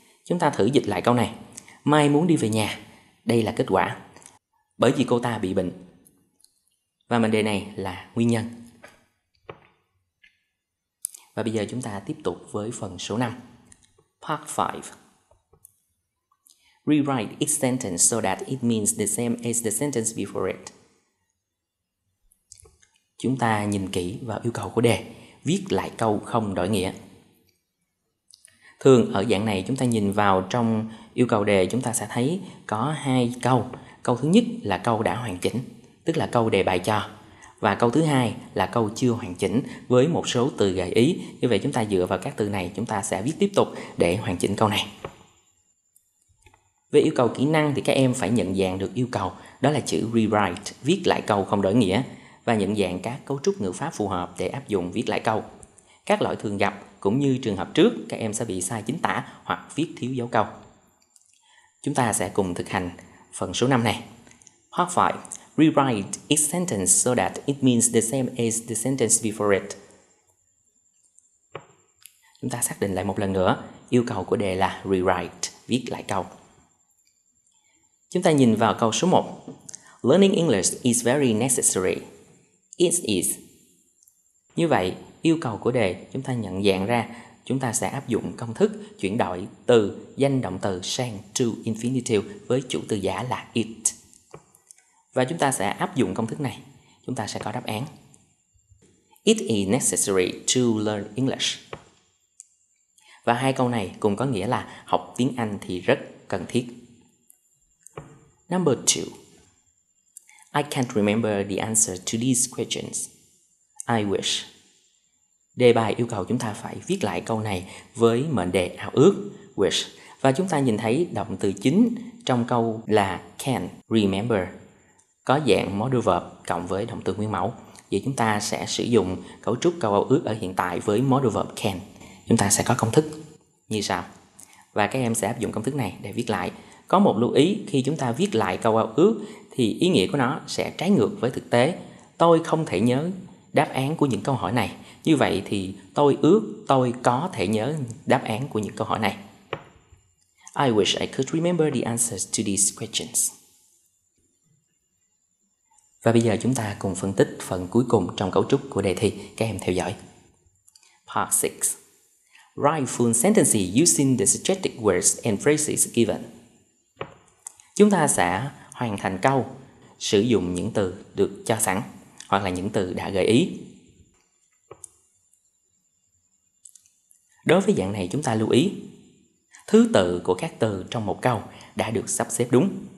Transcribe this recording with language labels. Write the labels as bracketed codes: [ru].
[vi] Chúng ta thử dịch lại câu này. Mai muốn đi về nhà, đây là kết quả, bởi vì cô ta bị bệnh. Và mệnh đề này là nguyên nhân. Và bây giờ chúng ta tiếp tục với phần số 5. [en] Part 5. Rewrite each sentence so that it means the same as the sentence before it. [vi] Chúng ta nhìn kỹ vào yêu cầu của đề, viết lại câu không đổi nghĩa. Thường ở dạng này chúng ta nhìn vào trong yêu cầu đề, chúng ta sẽ thấy có hai câu. Câu thứ nhất là câu đã hoàn chỉnh, tức là câu đề bài cho. Và câu thứ hai là câu chưa hoàn chỉnh với một số từ gợi ý. Như vậy chúng ta dựa vào các từ này, chúng ta sẽ viết tiếp tục để hoàn chỉnh câu này. Về yêu cầu kỹ năng thì các em phải nhận dạng được yêu cầu, đó là chữ rewrite, viết lại câu không đổi nghĩa, và nhận dạng các cấu trúc ngữ pháp phù hợp để áp dụng viết lại câu. Các lỗi thường gặp cũng như trường hợp trước, các em sẽ bị sai chính tả hoặc viết thiếu dấu câu. Chúng ta sẽ cùng thực hành phần số 5 này. [en] Part 5. Rewrite each sentence so that it means the same as the sentence before it. [vi] Chúng ta xác định lại một lần nữa, yêu cầu của đề là rewrite, viết lại câu. Chúng ta nhìn vào câu số 1. [en] Learning English is very necessary. It is. [vi] Như vậy, yêu cầu của đề chúng ta nhận dạng ra, chúng ta sẽ áp dụng công thức chuyển đổi từ danh động từ sang to infinitive với chủ từ giả là it. Và chúng ta sẽ áp dụng công thức này, chúng ta sẽ có đáp án. [en] It is necessary to learn English. [vi] Và hai câu này cùng có nghĩa là học tiếng Anh thì rất cần thiết. [en] Number 2. I can't remember the answer to these questions. I wish. [vi] Đề bài yêu cầu chúng ta phải viết lại câu này với mệnh đề ao ước, wish. Và chúng ta nhìn thấy động từ chính trong câu là can remember, có dạng modal verb cộng với động từ nguyên mẫu. Vậy chúng ta sẽ sử dụng cấu trúc câu ao ước ở hiện tại với modal verb can. Chúng ta sẽ có công thức như sau. Và các em sẽ áp dụng công thức này để viết lại. Có một lưu ý, khi chúng ta viết lại câu ao ước thì ý nghĩa của nó sẽ trái ngược với thực tế. Tôi không thể nhớ đáp án của những câu hỏi này. Như vậy thì tôi ước tôi có thể nhớ đáp án của những câu hỏi này. [en] I wish I could remember the answers to these questions. [vi] Và bây giờ chúng ta cùng phân tích phần cuối cùng trong cấu trúc của đề thi. Các em theo dõi. Part 6. [en] Write full sentences using the suggested words and phrases given. [vi] Chúng ta sẽ hoàn thành câu sử dụng những từ được cho sẵn hoặc là những từ đã gợi ý. Đối với dạng này chúng ta lưu ý, thứ tự của các từ trong một câu đã được sắp xếp đúng.